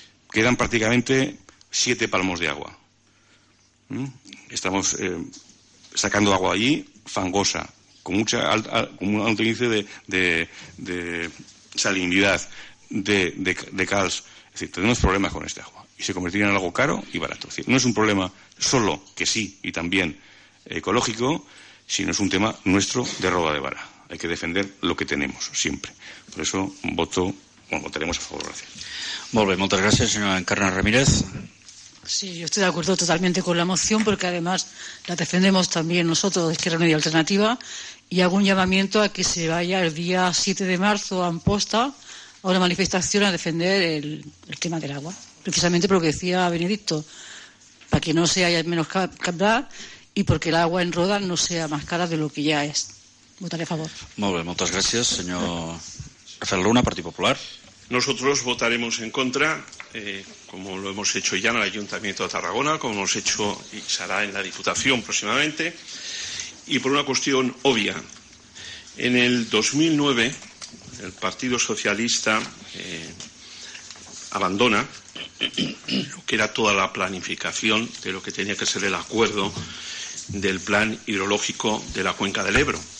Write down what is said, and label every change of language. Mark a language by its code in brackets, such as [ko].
[es] Quedan prácticamente 7 palmos de agua. Estamos sacando agua allí, fangosa, con un alto índice de salinidad, de cal. Es decir, tenemos problemas con este agua. Y se convertiría en algo caro y barato. Es decir, no es un problema solo, que sí, y también ecológico, sino es un tema nuestro de roba de vara. Hay que defender lo que tenemos, siempre. Por eso votaremos a favor. Gracias. [ca] Molt bé, moltes gràcies, senyora Encarna Ramírez. [es] Sí, yo estoy de acuerdo totalmente con la moción, porque además la defendemos también nosotros, de Izquierda Unida Alternativa, y hago un llamamiento a que se vaya el día 7 de marzo a Amposta a una manifestación a defender el tema del agua. Precisamente por lo que decía Benedicto, para que no se haya menos caudal y porque el agua en Roda no sea más cara de lo que ya es. Votaré a favor. [ca] Molt bé, moltes gràcies, senyor Rafael Luna, Partit Popular. [es] Nosotros votaremos en contra, como lo hemos hecho ya en el Ayuntamiento de Tarragona, como hemos hecho y se hará en la Diputación próximamente, y por una cuestión obvia. En el 2009, el Partido Socialista abandona lo que era toda la planificación de lo que tenía que ser el acuerdo del plan hidrológico de la cuenca del Ebro.